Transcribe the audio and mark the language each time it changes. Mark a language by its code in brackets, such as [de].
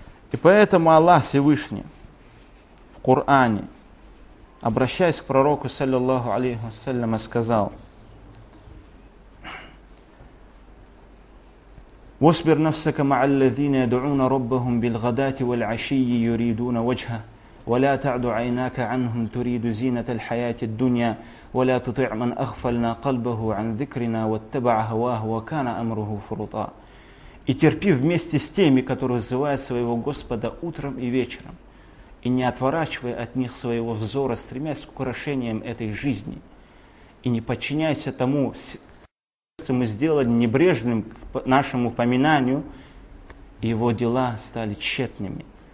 [ru] И поэтому Аллах Всевышний в Коране, обращаясь к пророку, саллиллаху алейхи вассаляма, сказал: [ar] «Восбир нафсака маа аллазина ядуна раббахум бил гадати валь ашийи юридуна ваджха». ولا تعد عيناك عنهم تريد زينة الحياة الدنيا ولا تطع من أغفلنا قلبه عن ذكرنا واتبع هواه وكان أمره فرطا. [ru] И терпи вместе с теми, которые взывают своего Господа утром и вечером, и не отворачивай от них своего взора, стремясь к украшениям этой жизни, и не подчиняйся тому, что мы сделали небрежным к нашему упоминанию, и его дела стали тщетными.